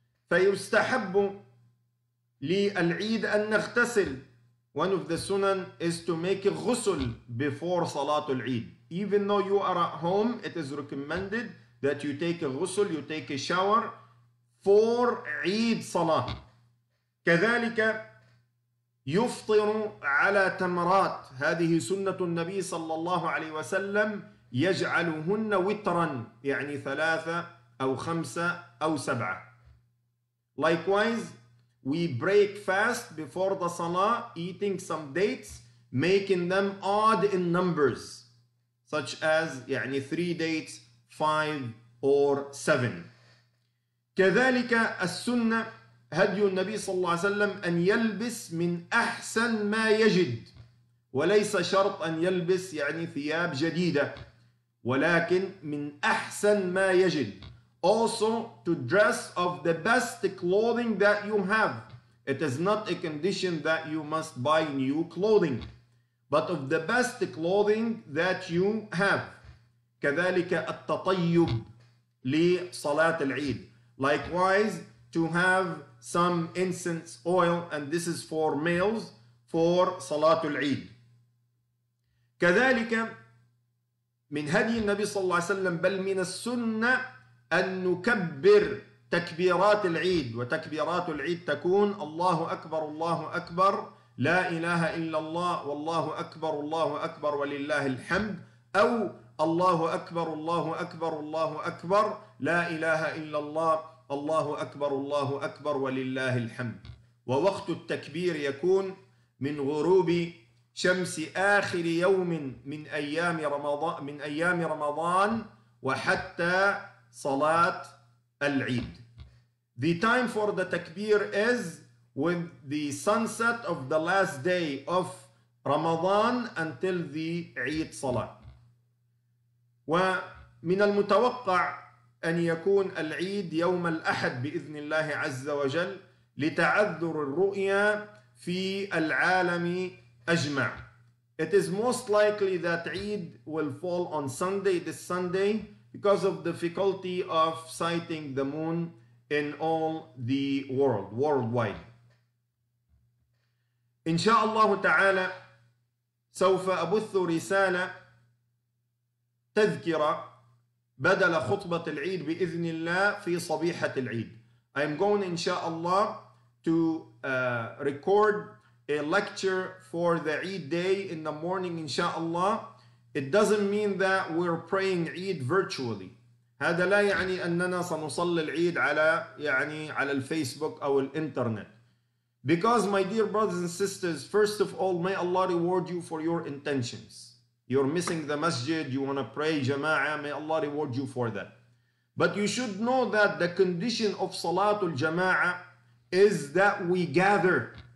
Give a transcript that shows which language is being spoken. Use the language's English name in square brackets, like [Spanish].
[Arabic] فيستحب للعيد أن نغتسل. [English] One of the sunan is to make a ghusl before صلاة العيد. Even though you are at home, it is recommended that you take a ghusl, you take a shower for عيد صلاة. [Arabic] كذلك يفطر على تمرات. هذه سنة النبي صلى الله عليه وسلم يجعلهن وترا، يعني ثلاثة أو خمسة أو سبعة. [English] Likewise, we break fast before the salah, eating some dates, making them odd in numbers, such as يعني three dates, five or seven. [Arabic] كذلك السنة هدي النبي صلى الله عليه وسلم أن يلبس من أحسن ما يجد، وليس شرط أن يلبس يعني ثياب جديدة، ولكن من أحسن ما يجد. [English] Also to dress of the best clothing that you have. It is not a condition that you must buy new clothing, but of the best clothing that you have. [Arabic] كذلك التطيب لصلاة العيد. [English] Likewise, to have some incense oil, and this is for males, for Salatul Eid. [Arabic] كذلك من هدي النبي صلى الله عليه وسلم بل من السنة أن نكبر تكبيرات العيد وتكبيرات العيد تكون الله أكبر الله أكبر لا إله إلا الله والله أكبر الله أكبر ولله الحمد أو الله أكبر الله أكبر الله أكبر لا إله إلا الله الله أكبر الله أكبر ولله الحمد ووقت التكبير يكون من غروب شمس آخر يوم من أيام رمضان من أيام رمضان وحتى صلاة العيد. [English] The time for the takbir is when the sunset of the last day of Ramadan until the Eid Salah. [Arabic] ومن المتوقع أن يكون العيد يوم الأحد بإذن الله عز وجل لتعذر الرؤيا في العالم أجمع. [English] It is most likely that Eid will fall on Sunday, this Sunday, because of difficulty of sighting the moon in all the world, worldwide. [Arabic] إن شاء الله تعالى سوف أبث رسالة تذكرة بدل خطبة العيد بإذن الله في صبيحة العيد. [English] I'm going, inshallah, to record a lecture for the Eid day in the morning, inshallah. It doesn't mean that we're praying Eid virtually. [Arabic] هذا لا يعني أننا سنصلي العيد على يعني على الفيسبوك أو الإنترنت. [English] Because my dear brothers and sisters, first of all, may Allah reward you for your intentions. You're missing the masjid, you want to pray jama'ah, may Allah reward you for that. But you should know that the condition of Salatul Jama'ah is that we gather.